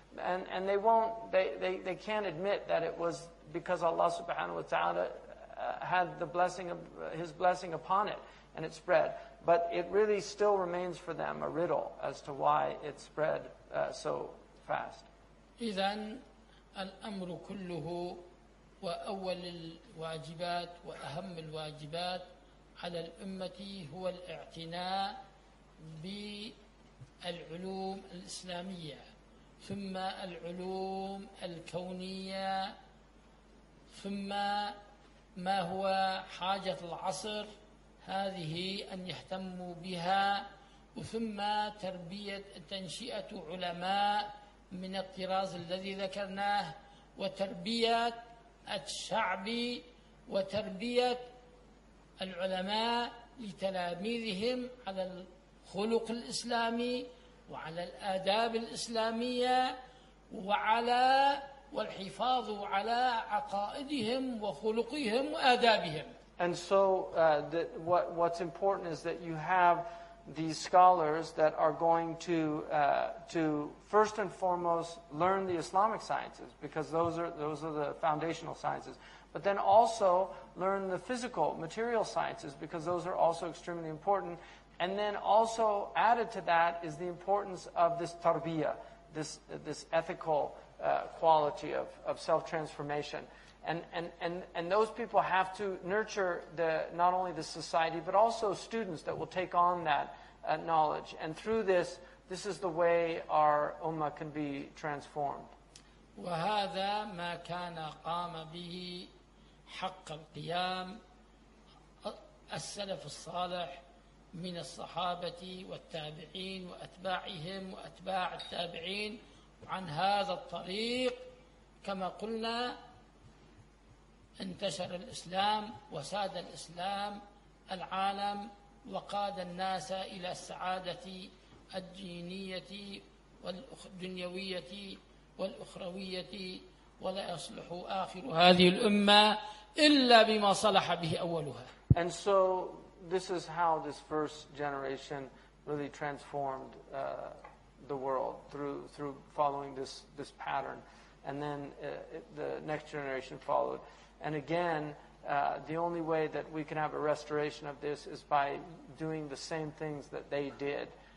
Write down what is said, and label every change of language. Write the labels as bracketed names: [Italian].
[English] And they won't, they can't admit that it was because Allah [Arabic] subhanahu wa ta'ala [English] had the blessing of His blessing upon it and it spread. But it really still remains for them a riddle as to why it spread so fast. [Arabic] إذن الأمر كله وأول الواجبات وأهم الواجبات على الأمة هو الاعتناء بالعلوم الإسلامية ثم العلوم الكونية ثم ما هو حاجة العصر هذه أن يهتموا بها وثم تربية تنشئة علماء من الطراز الذي ذكرناه وتربية الشعب وتربية العلماء لتلاميذهم على الخلق الإسلامي وعلى الآداب الإسلامية وعلى والحفاظ على عقائدهم وخلقهم وآدابهم. [English] And so what's important is that you have these scholars that are going to first and foremost learn the Islamic sciences, because those are the foundational sciences, but then also learn the physical material sciences, because those are also extremely important. And then also added to that is the importance of this tarbiyah, this ethical quality of self-transformation. And those people have to nurture not only the society, but also students that will take on that knowledge. And through this is the way our ummah can be transformed. [Arabic] وَهَذَا مَا كَانَ قَامَ بِهِ حَقَّ الْقِيَامِ السَّلَفُ الصَّالِحُ من الصحابة والتابعين وأتباعهم وأتباع التابعين عن هذا الطريق كما قلنا انتشر الإسلام وساد الإسلام العالم وقاد الناس إلى السعادة الدينية والدنيوية والأخروية ولا يصلح آخر هذه الأمة إلا بما صلح به أولها. [English] And so this is how this first generation really transformed the world through following this pattern. And then the next generation followed. And again, the only way that we can have a restoration of this is by doing the same things that they did.